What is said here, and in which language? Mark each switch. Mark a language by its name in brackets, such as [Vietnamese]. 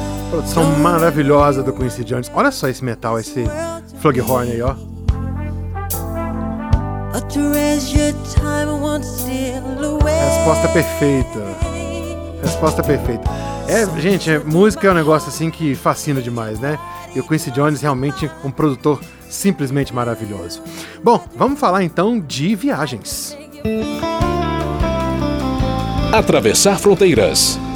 [Portuguese] Produção maravilhosa do Quincy Jones. Olha só esse metal, esse flug horn aí, ó. [English] A treasure time won't steal away. [Portuguese] Resposta perfeita. Resposta perfeita. É, gente, música é um negócio assim que fascina demais, né? E o Quincy Jones realmente um produtor simplesmente maravilhoso. Bom, vamos falar então de viagens. Atravessar fronteiras.